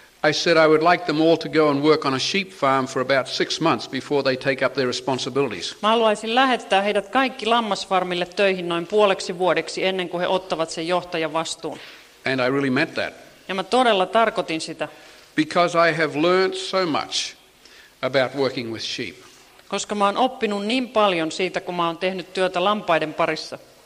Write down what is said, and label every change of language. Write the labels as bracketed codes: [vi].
[en] I said I would like them all to go and work on a sheep farm for about 6 months before they take up their responsibilities. [fi] Mä haluaisin lähettää heidät kaikki lammasfarmille töihin noin puoleksi vuodeksi ennen kuin he ottavat sen johtajan vastuun. [en] And I really meant that. [fi] Ja mä todella tarkoitin sitä. [en] Because I have learned so much about working with sheep. [fi] Koska mä oon oppinut niin paljon siitä, kun mä oon tehnyt työtä lampaiden parissa.